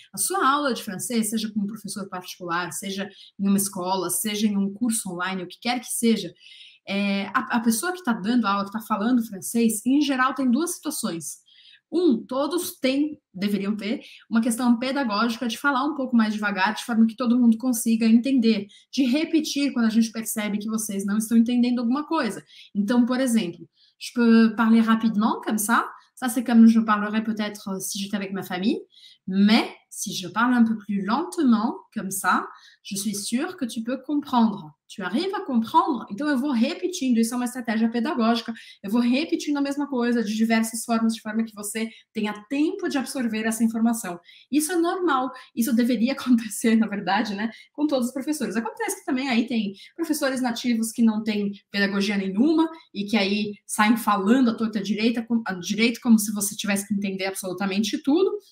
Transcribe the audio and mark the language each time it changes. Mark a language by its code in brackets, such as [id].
[pt] A sua aula de francês, seja com um professor particular, seja em uma escola, seja em um curso online, o que quer que seja, a pessoa que está dando aula, que está falando francês, em geral tem duas situações. Um, todos têm, deveriam ter, uma questão pedagógica de falar um pouco mais devagar, de forma que todo mundo consiga entender, de repetir quando a gente percebe que vocês não estão entendendo alguma coisa. Então, por exemplo, [fr] je peux parler rapidement, comme ça? Ça, c'est comme je parlerais peut-être si j'étais avec ma famille. Mais si je parle un peu plus lentement, comme ça, je suis sûre que tu peux comprendre. Tu arrives à comprendre? [pt] Então, eu vou repetindo. Isso é uma estratégia pedagógica. Eu vou repetindo a mesma coisa de diversas formas, de forma que você tenha tempo de absorver essa informação. Isso é normal. Isso deveria acontecer, na verdade, né, com todos os professores. Acontece que também aí tem professores nativos que não têm pedagogia nenhuma e que aí saem falando à torta direita, direito, como se você tivesse que entender absolutamente tudo.